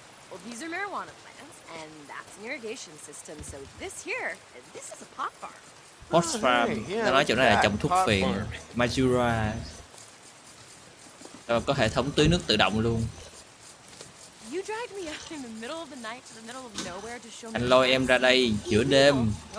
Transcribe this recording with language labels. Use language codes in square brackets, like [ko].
[en] Well, these are marijuana plants, and that's an irrigation system. So this here, this is a pot farm. Pot farm. [vi] Nó nói chỗ này là trồng thuốc phiện. Majura. Rồi có hệ thống tưới nước tự động luôn. [en] You dragged me out in the middle of the night to the middle of nowhere to show me. [vi] Anh lôi em ra đây giữa đêm.